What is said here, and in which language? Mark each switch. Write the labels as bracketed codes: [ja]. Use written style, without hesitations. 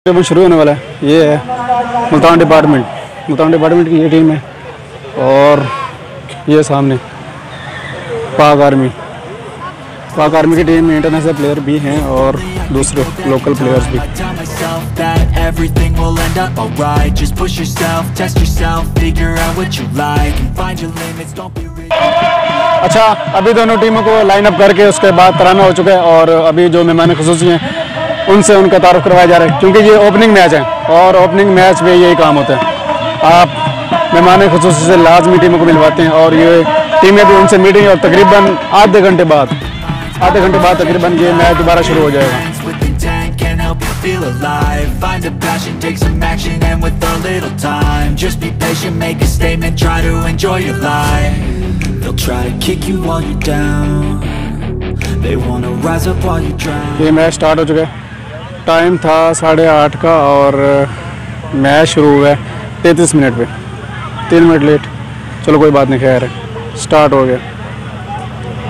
[hi] अभी शुरू होने वाला है, ये है मुल्तान डिपार्टमेंट, मुल्तान डिपार्टमेंट की ये टीम है। और ये सामने पाक आर्मी की टीम में इंटरनेशनल प्लेयर भी हैं और दूसरे लोकल प्लेयर्स भी। [en] Everything will end up alright. Just push yourself, test yourself, figure out what you like and find your limits. Don't be rigid. [hi] अच्छा, अभी दोनों टीमों को लाइन अप करके उसके बाद तराना हो चुका है और अभी जो मेहमान खुसूसी हैं उनसे उनका तारुफ करवाया जा रहा है क्योंकि ये ओपनिंग मैच है और ओपनिंग मैच में यही काम होता है। आप मेहमान खुसूसी से लाजमी टीमों को मिलवाते हैं और ये टीमें भी उनसे मीटिंग और तकरीबन आधे घंटे बाद तकरीबन ये मैच दोबारा शुरू हो जाएगा। [en] Feel alive, find a passion, take some action, and with a little time, just be patient, make a statement, try to enjoy your life. They'll try to kick you while you're down, they wanna rise up while you drown. [hi] ये match start हो चुका है, time था 8:30 का और match शुरू हुआ है 33 मिनट पे, 3 मिनट लेट। चलो कोई बात नहीं, खैर स्टार्ट हो गया।